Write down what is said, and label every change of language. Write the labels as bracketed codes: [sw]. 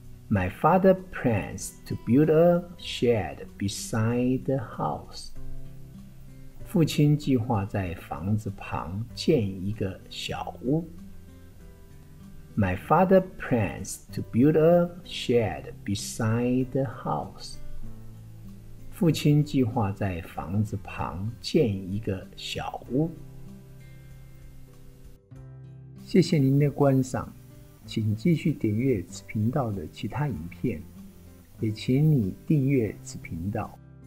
[en] My father plans to build a shed beside the house. [zh] 父亲计划在房子旁建一个小屋。 [en] My father plans to build a shed beside the house. [zh] 父亲计划在房子旁建一个小屋。谢谢您的观赏，请继续点阅此频道的其他影片，也请你订阅此频道。